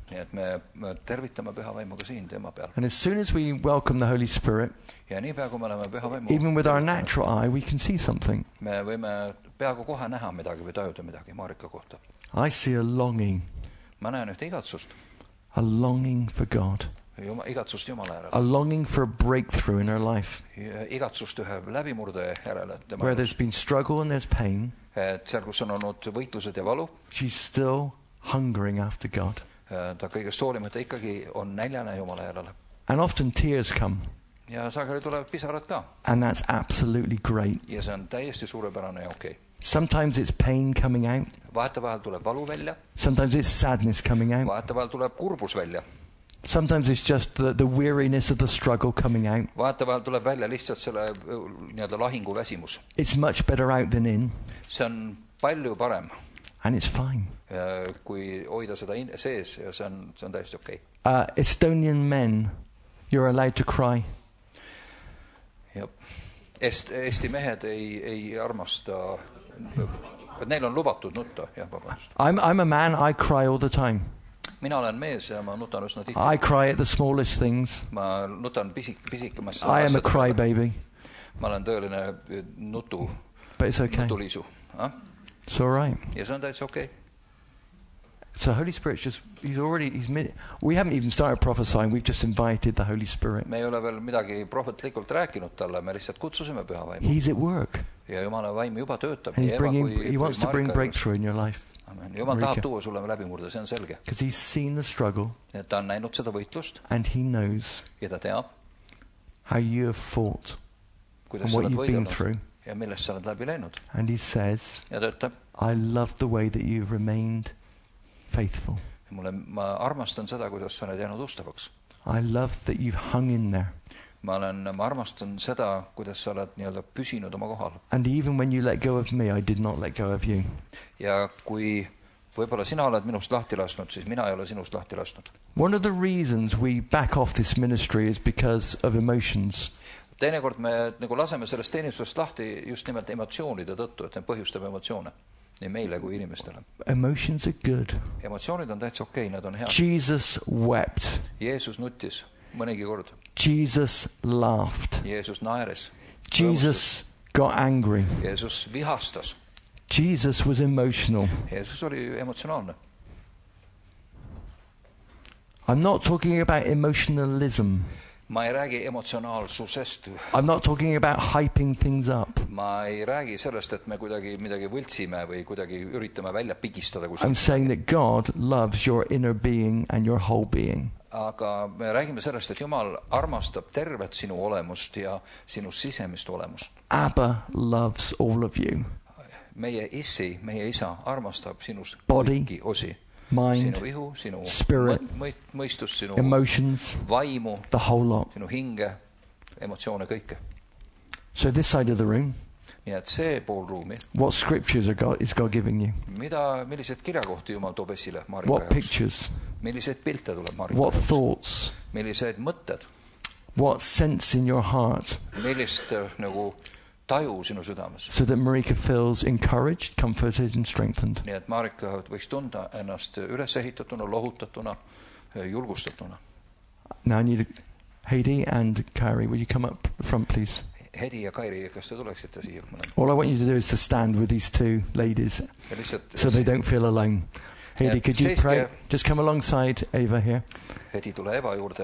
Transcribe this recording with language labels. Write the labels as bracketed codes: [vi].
[et] Nii et me tervitame püha vaimuga siin tema peal. [en] And as soon as we welcome the Holy Spirit, [et] ja nii pea kui me oleme püha vaimuga, [en] even with our natural eye, we can see something. [et] Me võime peaaegu kohe näha midagi või tajuda midagi Marika kohta. [en] I see a longing. [et] Ma näen ühte igatsust. [en] A longing for God. [et] Igatsust Jumala järele. [en] A longing for a breakthrough in her life. [et] Igatsust ühe läbimurde järele. [en] Where there's been struggle and there's pain. [et] Seal, kus on olnud võitlused ja valu. [en] She's still hungering after God. [et] Ta kõige soolimata ikkagi on näljane Jumala järele. [en] And often tears come. [et] Ja sageli tuleb pisarad ka. [en] And that's absolutely great. [et] Ja see on täiesti suurepärane ja okei. [en] Sometimes it's pain coming out. [et] Vahetavahel tuleb valu välja. [en] Sometimes it's sadness coming out. [et] Vahetavahel tuleb kurbus välja. [en] Sometimes it's just the weariness of the struggle coming out. [et] Vaatavahel tuleb välja lihtsalt selle nii-öelda lahingu väsimus. [en] It's much better out than in. [et] See on palju parem. [en] And it's fine. [et] Kui hoida seda sees ja see on täiesti okei. [en] Estonian men, you're allowed to cry. [et] Jep. Eesti mehed ei armasta. Neil on lubatud nutta. Jah, vabandust. [en] I'm a man, I cry all the time. [et] Mina olen mees ja ma nutan üsna tihti. [en] I cry at the smallest things. [et] Ma nutan pisikamast. [en] I am a cry baby. [et] Ma olen tõeline nutu. [en] But it's okay. [et] Nutuliisu. [en] It's all right. [et] Ja see on täitsa okei. [en] So Holy Spirit's just, we haven't even started prophesying, we've just invited the Holy Spirit. [et] Me ei ole veel midagi prohvetlikult rääkinud talle, me lihtsalt kutsusime püha vaimu. [en] He's at work. [et] Ja Jumala vaim juba töötab. [en] And he wants to bring breakthrough in your life. [et] Jumal tahab tuua sulle läbimurde, see on selge. [en] Because he's seen the struggle. [et] Ja ta on näinud seda võitlust. [en] And he knows. [et] Ja ta teab. [en] How you have fought. [et] Kuidas sa oled võidelnud. Ja millest sa oled läbi läinud. [en] And he says. [et] Ja ta ütleb. [en] I love the way that you've remained faithful. [et] Ma armastan seda, kuidas sa oled jäänud ustavaks. [en] I love that you've hung in there. [et] Ma armastan seda, kuidas sa oled nii-öelda püsinud oma kohal. [en] And even when you let go of me, I did not let go of you. [et] Ja kui võibolla sina oled minust lahti lasknud, siis mina ei ole sinust lahti lasknud. [en] One of the reasons we back off this ministry is because of emotions. [et] Teine kord me nagu laseme sellest teenistusest lahti just nimelt emotsioonide tõttu, et me põhjustame emotsioone. Nii meile kui inimestele. [en] Emotions are good. [et] Emotsioonid on täitsa okei, nad on hea. [en] Jesus wept. [et] Jeesus nutis mõnegi kord. [en] Jesus laughed. [et] Jeesus naeres. [en] Jesus got angry. [et] Jeesus vihastas. [en] Jesus was emotional. [et] Jeesus oli emotsionaalne. [en] I'm not talking about emotionalism. [et] Ma ei räägi emotsionaalsusest. [en] I'm not talking about hyping things up. [et] Ma ei räägi sellest, et me kuidagi midagi võltsime või kuidagi üritame välja pigistada. [en] I'm saying that God loves your inner being and your whole being. [et] Aga me räägime sellest, et Jumal armastab tervet sinu olemust ja sinu sisemist olemust. [en] Abba loves all of you. [et] meie isi, meie isa armastab sinus [en] body, [et] kõiki osi. [en] Mind, [et] sinu ihu, sinu [en] spirit, [et] mõistus, sinu [en] emotions, [et] vaimu, [en] the whole lot. [et] Sinu hinge, emotsioone, kõike. [en] So this side of the room, [et] nii et see pool ruumi, [en] what scriptures are God, is God giving you? [et] Mida, millised kirjakohti Jumal toob esile Marika [en] what jaoks? Pictures? [et] Millised pilte tuleb Marika [en] what jaoks? Thoughts? [et] Millised mõtted? [en] What sense in your heart? [et] Millist nagu taju sinu südames? [en] So that Marika feels encouraged, comforted and strengthened. [et] Nii et Marika võiks tunda ennast ülesehitatuna, lohutatuna, julgustatuna. [en] Now I need Heidi and Kairi, will you come up front please? [et] Heidi ja Kairi, kas te tuleksite siia? [en] All I want you to do is to stand with these two ladies so they don't feel alone. Heidi, could you pray? Just come alongside Eva here. [et] Heidi tule Eva juurde.